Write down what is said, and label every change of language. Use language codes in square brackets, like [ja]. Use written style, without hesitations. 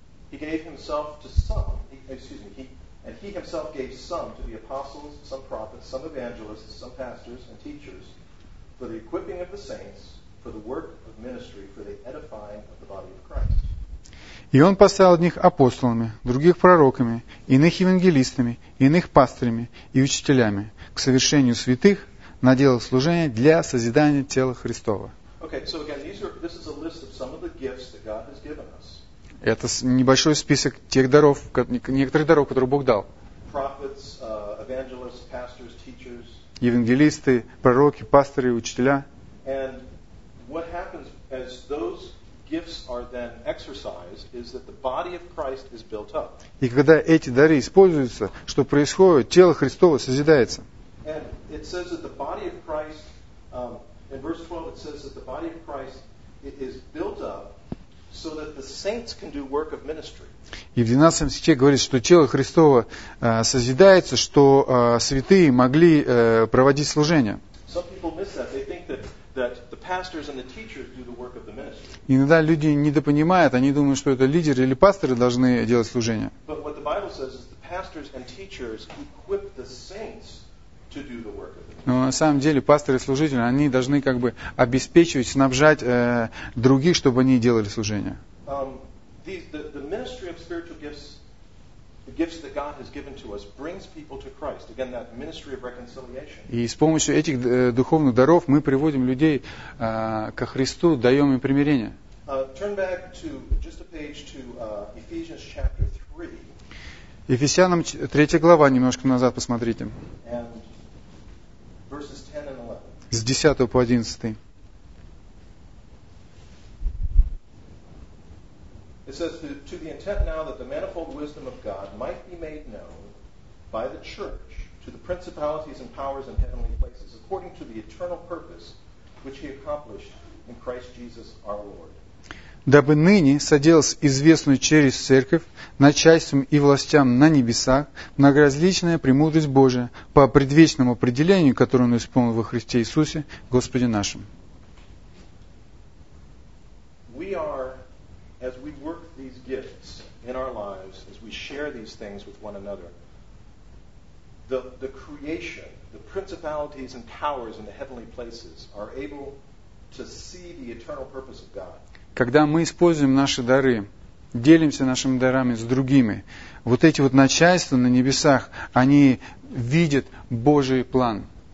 [en] He gave himself to some, and he himself gave some to the apostles, some prophets, some evangelists, some pastors and teachers for the equipping of the saints, for the work of ministry, for the edifying of the body of Christ. [ru] И он поставил одних апостолами, других пророками, иных евангелистами, иных пастырями и учителями к совершению святых на дело служения для созидания тела Христова. [en] Okay, so again, this is a list of some of the gifts that God has given us. [ru] Это небольшой список тех даров, некоторых даров, которые Бог дал. [en] Prophets, evangelists, pastors, teachers. [ru] Евангелисты, пророки, пастыри, учителя. [en] And what happens as those gifts are then exercised is that the body of Christ is built up. [ru] И когда эти дары используются, что происходит? Тело Христово созидается. [en] And it says that the body of Christ, in verse 12 it says that the body of Christ is built up so that the saints can do work of ministry. [ru] И в 12 стихе говорится, что тело Христово созидается, что святые могли проводить служение. [en] Some people miss that. They think that pastors and the teachers do the work of the ministry. [ru] Иногда люди недопонимают, они думают, что это лидеры или пасторы должны делать служение. [en] But what the Bible says is the pastors and teachers equip the saints to do the work of the ministry. [ru] Но на самом деле пасторы и служители, они должны как бы обеспечивать, снабжать других, чтобы они делали служение. [en] The ministry of spiritual gifts the gifts that God has given to us brings people to Christ. Again, that ministry of reconciliation. [ru] И с помощью этих духовных даров мы приводим людей ко Христу, даем им примирение. [en] Turn back to just a page to Ephesians chapter 3. [ru] Ефесянам 3 глава, немножко назад посмотрите. [en] And verses 10 and 11. [ru] С 10 по 11. [en] It says, to the intent now that the manifold wisdom of God might be made known by the church to the principalities and powers in heavenly places, according to the eternal purpose which he accomplished in Christ Jesus our Lord. [ru] Дабы ныне соделась известную через церковь начальством и властям на небесах многоразличная премудрость Божия по предвечному определению, которое он исполнил во Христе Иисусе, Господе нашим. [en] We are, as we work these gifts in our lives, as we share these things with one another, the creation, the principalities and powers in the heavenly places are able to see the eternal purpose of God. [ru] Когда мы используем наши дары, делимся нашими дарами с другими, вот эти вот начальства на небесах, они видят Божий план.